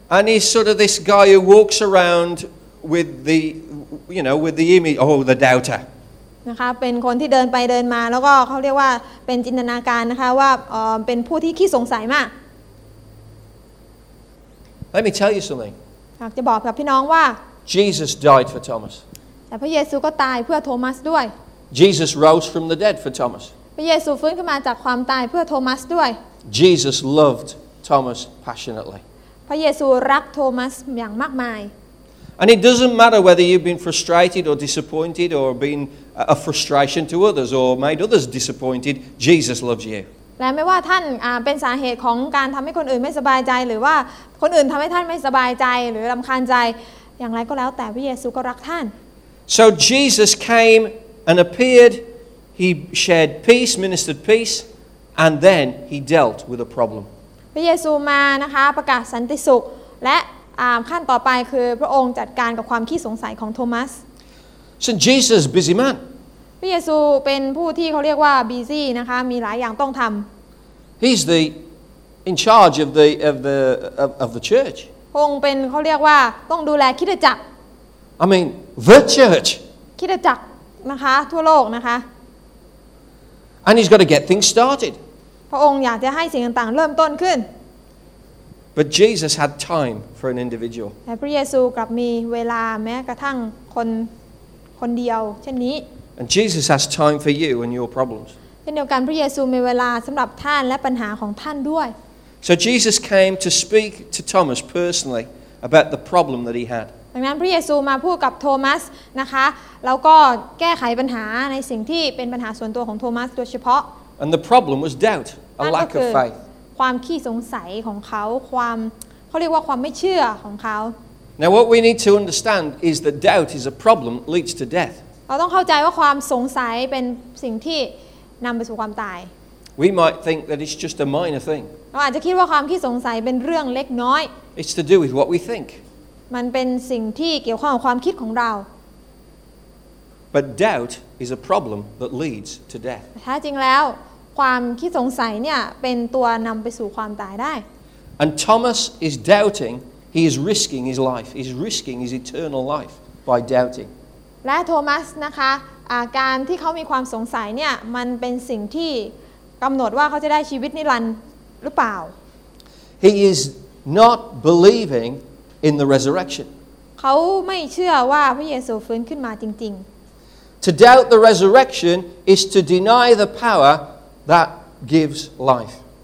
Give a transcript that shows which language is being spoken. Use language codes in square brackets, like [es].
[en] And he's sort of this guy who walks aroundwith the you know with the image oh the doubter [th] นะคะเป็นคนที่เดินไปเดินมาแล้วก็เขาเรียกว่าเป็นจินตนาการนะคะว่าเป็นผู้ที่ขี้สงสัยมาก [en] Let me tell you something [th] อยากจะบอกกับพี่น้องว่า [en] Jesus died for Thomas [th] แต่พระเยซูก็ตายเพื่อโทมัสด้วย [en] Jesus rose from the dead for Thomas [th] พระเยซูฟื้นขึ้นมาจากความตายเพื่อโทมัสด้วย [en] Jesus loved Thomas passionately [th] พระเยซูรักโทมัสอย่างมากมาย [en] And it doesn't matter whether you've been frustrated or disappointed or been a frustration to others or made others disappointed, Jesus loves you. [th] และไม่ว่าท่านเป็นสาเหตุของการทำให้คนอื่นไม่สบายใจหรือว่าคนอื่นทำให้ท่านไม่สบายใจหรือรำคาญใจอย่างไรก็แล้วแต่พระเยซูก็รักท่าน [en] So Jesus came and appeared. He shared peace, ministered peace, and then he dealt with a problem. [th] พระเยซูมานะคะประกาศสันติสุขและขั้นต่อไปคือพระองค์จัดการกับความขี้สงสัยของโทมัส [en] So Jesus busy man [th] พระเยซูเป็นผู้ที่เขาเรียกว่า busy นะคะมีหลายอย่างต้องทำ [en] He's the in charge of the church [th] พระองค์เป็นเขาเรียกว่าต้องดูแลคริสตจักร [en] I mean the church [th] คริสตจักรนะคะทั่วโลกนะคะ [en] And he's got to get things started [th] พระองค์อยากจะให้สิ่งต่างๆเริ่มต้นขึ้น [en] But Jesus had time for an individual. [th] แต่พระเยซูกลับมีเวลาแม้กระทั่งคนเดียวเช่นนี้ [en] And Jesus has time for you and your problems. [th] ช่นเดียวกันพระเยซูมีเวลาสำหรับท่านและปัญหาของท่านด้วย [en] So Jesus came to speak to Thomas personally about the problem that he had [th] ดังนั้นพระเยซูมาพูดกับโทมัสนะคะแล้วก็แก้ไขปัญหาในสิ่งที่เป็นปัญหาส่วนตัวของโทมัสโดยเฉพาะ [en] And the problem was doubt a lack of faith [th] ความขี้สงสัยของเขาความเขาเรียกว่าความไม่เชื่อของเขา [en] Now what we need to understand is that doubt is a problem leads to death [th] เราต้องเข้าใจว่าความสงสัยเป็นสิ่งที่นำไปสู่ความตาย [en] We might think that it's just a minor thing [th] เราอาจจะคิดว่าความขี้สงสัยเป็นเรื่องเล็กน้อย [en] It's to do with what we think [th] มันเป็นสิ่งที่เกี่ยวข้องกับความคิดของเรา [en] But doubt is a problem that leads to death [th] แท้จริงแล้วความขี้สงสัยเนี่ยเป็นตัวนำไปสู่ความตายได้ [en] And Thomas is doubting he is risking his life he's risking his eternal life by doubting [th] และโทมัสนะคะการที่เขามีความสงสัยเนี่ยมันเป็นสิ่งที่กำหนดว่าเขาจะได้ชีวิตนิรันดร์หรือเปล่า [en] He is not believing in the resurrection [th] เขาไม่เชื่อว่าพระเยซูฟื้นขึ้นมาจริง [en] ๆ To doubt the resurrection is to deny the power that gives life